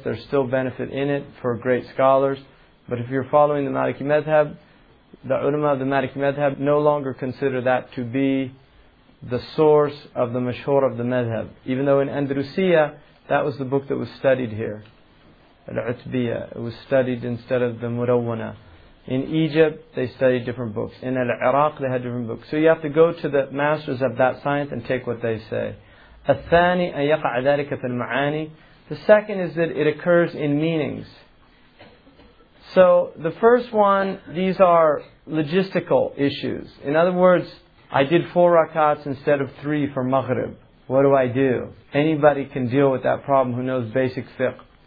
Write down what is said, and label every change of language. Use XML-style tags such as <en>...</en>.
<en>There's still benefit in it for great scholars. But if you're following the Maliki Madhab, the ulama of the Maliki Madhab no longer consider that to be the source of the mashhur of the madhab. Even though in Andalusia, that was the book that was studied here. Al-Utbiyah. It was studied instead of the Murawwana. In Egypt, they studied different books. In Al-Iraq, they had different books. So you have to go to the masters of that science and take what they say.</en> <ar>الثاني أن يقع ذلك في المعاني.</ar> <en>The second is that it occurs in meanings. So the first one, these are logistical issues. In other words, I did 4 rakats instead of 3 for Maghrib. What do I do? Anybody can deal with that problem who knows basic fiqh.</en>